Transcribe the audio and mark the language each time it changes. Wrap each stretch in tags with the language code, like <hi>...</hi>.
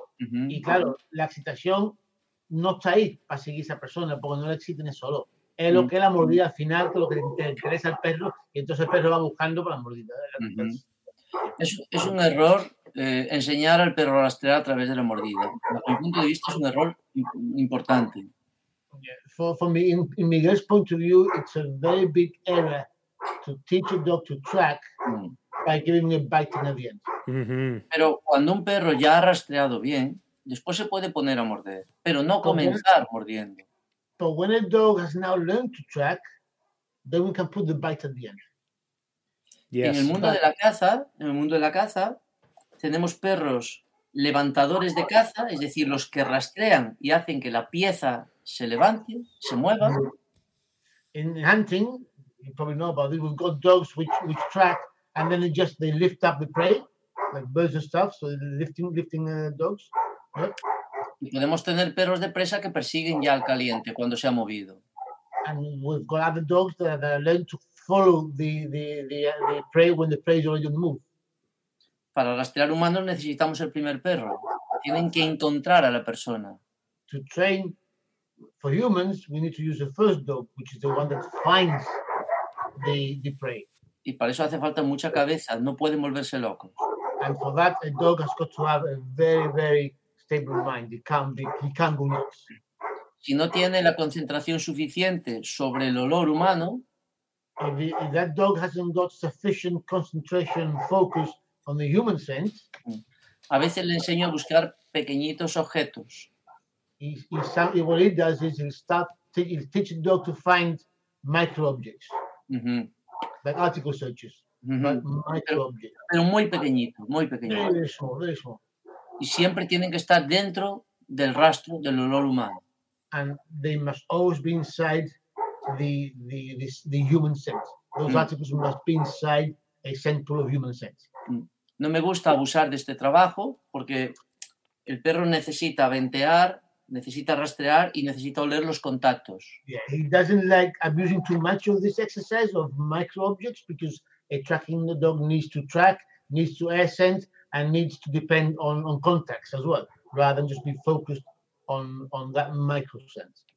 <es>Y claro, la excitación no está ahí para seguir esa persona, porque no le existe en el solo. Es lo que es la mordida al final, que es lo que le interesa al perro, y entonces el perro va buscando para la mordida. Es un error enseñar al perro a rastrear a través de la mordida. Desde mi punto de vista, es un error importante. Yeah.</es> <en>For me, in Miguel's point of view, it's a very big error to teach a dog to track by giving a bite in the end.</en> <es>Pero cuando un perro ya ha rastreado bien, después se puede poner a morder, pero no comenzar mordiendo.</es> <en>But when a dog has now learned to track, then we can put the bite at the end. Yes.</en> <es>En el mundo de la caza, tenemos perros levantadores de caza, es decir, los que rastrean y hacen que la pieza se levante, se mueva.</es> <en>In hunting, you probably know about it, we've got dogs which track and then they lift up the prey, like birds and stuff, so lifting dogs.</en> <es>Y podemos tener perros de presa que persiguen ya al caliente cuando se ha movido.</es> <en>And we've got other dogs that learn to follow the prey when the prey is already on the move.</en> <es>Para rastrear humanos necesitamos el primer perro. Tienen que encontrar a la persona.</es> <en>To train for humans, we need to use the first dog, which is the one that finds the prey.</en> <es>Y para eso hace falta mucha cabeza. No pueden volverse locos.</es> <en>And for that, a dog has got to have a very, very stable mind. He can't go nuts.</en> <es>Si no tiene la concentración suficiente sobre el olor humano,</es> <en>if that dog hasn't got sufficient concentration and focus on the human scent,</en> <es>a veces le enseño a buscar pequeñitos objetos.</es> <en>What it does is he'll teach the dog to find micro objects, like article searches, micro objects.</en> <es>Pero muy pequeñito, muy pequeñito.</es> <en>Very small.</en> <es>Y siempre tienen que estar dentro del rastro del olor humano.</es> <en>And they must always be inside the human scent. Those articles must be inside a scent pool of human scent.</en> <es>No me gusta abusar de este trabajo porque el perro necesita ventear, necesita rastrear y necesita oler los contactos.</es> <en>Yeah, he doesn't like abusing too much of this exercise of micro objects because a tracking dog needs to track, needs to air scent, and needs to depend on contacts as well, rather than just be focused on that micro scent.</en>